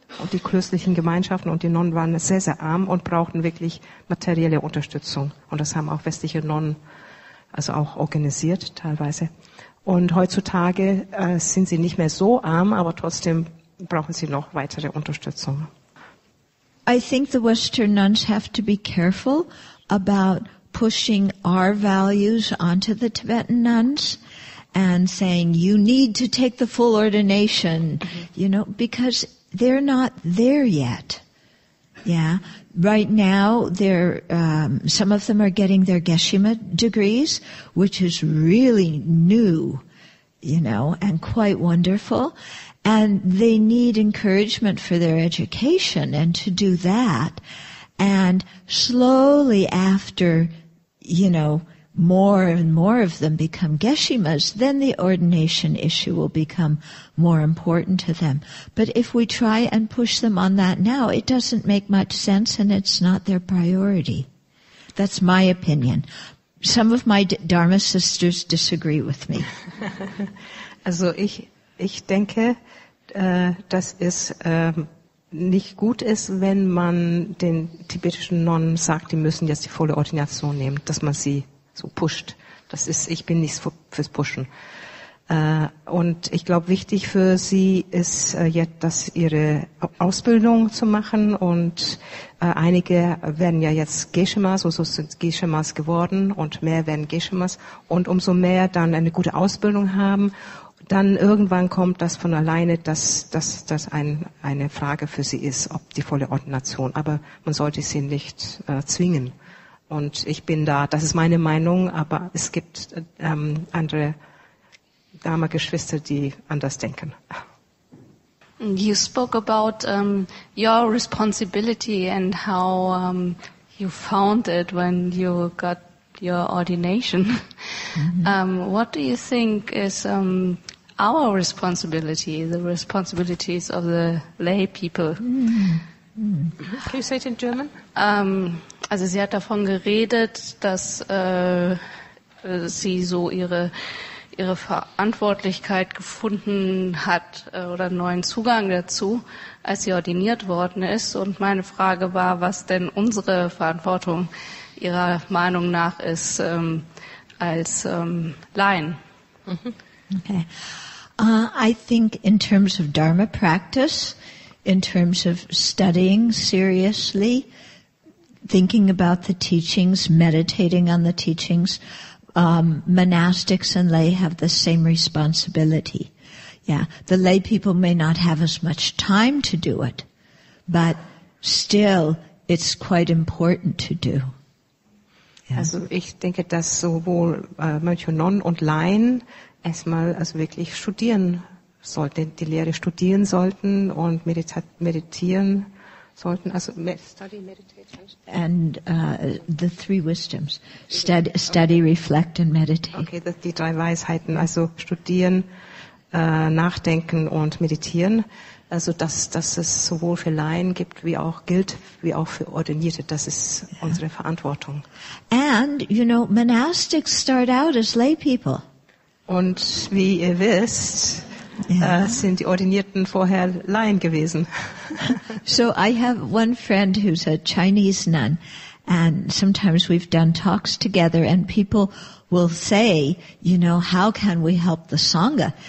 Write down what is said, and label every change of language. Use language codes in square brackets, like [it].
[de] Und die klösterlichen Gemeinschaften und die Nonnen waren sehr, sehr arm und brauchten wirklich materielle Unterstützung. Und das haben auch westliche Nonnen also auch organisiert teilweise. Und heutzutage sind sie nicht mehr so arm, aber trotzdem brauchen sie noch weitere Unterstützung. [en] I think the Western nuns have to be careful about pushing our values onto the Tibetan nuns and saying, you need to take the full ordination, you know, because they're not there yet. Yeah. Right now, some of them are getting their Geshima degrees, which is really new, you know, and quite wonderful. And they need encouragement for their education and to do that. And slowly after, you know, more and more of them become Geshimas, then the ordination issue will become more important to them. But if we try and push them on that now, it doesn't make much sense and it's not their priority. That's my opinion. Some of my Dharma sisters disagree with me. [de] Also ich denke, dass es nicht gut ist, wenn man den tibetischen Nonnen sagt, die müssen jetzt die volle Ordination nehmen, dass man sie so pusht. Das ist, ich bin nicht fürs Pushen. Und ich glaube, wichtig für sie ist jetzt, dass ihre Ausbildung zu machen, und einige werden ja jetzt Geshemas, also sind Geshemas geworden, und mehr werden Geshemas, und umso mehr dann eine gute Ausbildung haben, dann irgendwann kommt das von alleine, dass das eine Frage für sie ist, ob die volle Ordination, aber man sollte sie nicht zwingen. Und ich bin da, das ist meine Meinung, aber es gibt andere Dharma-Geschwister, die anders denken. [en] You spoke about your responsibility and how you found it when you got your ordination. Mm-hmm. What do you think is our responsibility, the responsibilities of the lay people? Mm-hmm. Can you say it in German? [de] Also sie hat davon geredet, dass sie so ihre Verantwortlichkeit gefunden hat oder einen neuen Zugang dazu, als sie ordiniert worden ist. Und meine Frage war, was denn unsere Verantwortung ihrer Meinung nach ist als Laien. [en] Okay. I think in terms of Dharma practice, in terms of studying seriously, thinking about the teachings, meditating on the teachings, monastics and lay have the same responsibility. Yeah, the lay people may not have as much time to do it, but still, it's quite important to do. Yeah. [de] Also ich denke, dass sowohl Mönche und Nonnen und Laien erstmal also wirklich studieren sollten, die Lehre studieren sollten und meditieren sollten, also [en] and the three wisdoms, study, okay. Reflect and meditate. [de] Okay, die drei Weisheiten, also studieren, nachdenken und meditieren. Also dass es sowohl für Laien gibt, wie auch gilt, wie auch für Ordinierte, das ist yeah. Unsere Verantwortung. [en] And, you know, monastics start out as lay people. [de] Und wie ihr wisst, yeah. Sind die Ordinierten vorher Laien gewesen. [en] So I have one friend who's a Chinese nun, and sometimes we've done talks together, and people will say, you know, how can we help the Sangha?